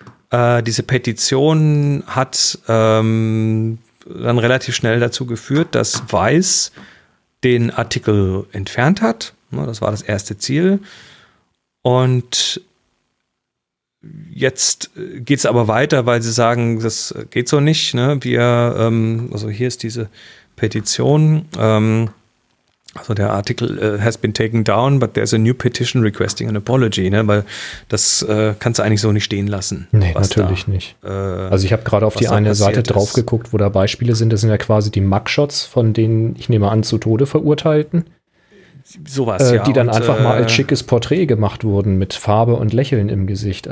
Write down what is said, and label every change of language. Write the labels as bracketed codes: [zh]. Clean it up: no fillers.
[de] Diese Petition hat dann relativ schnell dazu geführt, dass Vice den Artikel entfernt hat. Das war das erste Ziel. Und Jetzt geht es aber weiter, weil sie sagen, das geht so nicht. Ne? Wir, also hier ist diese Petition. Also der Artikel [en] has been taken down, but there's a new petition requesting an apology. [de] Ne? Weil das kannst du eigentlich so nicht stehen lassen. Nee, natürlich da, nicht. Also ich habe gerade auf die eine Seite drauf geguckt, wo da Beispiele sind. Das sind ja quasi die Mugshots, von denen, ich nehme an, zu Tode Verurteilten. Sowas, ja. Die dann und, einfach mal als schickes Porträt gemacht wurden mit Farbe und Lächeln im Gesicht.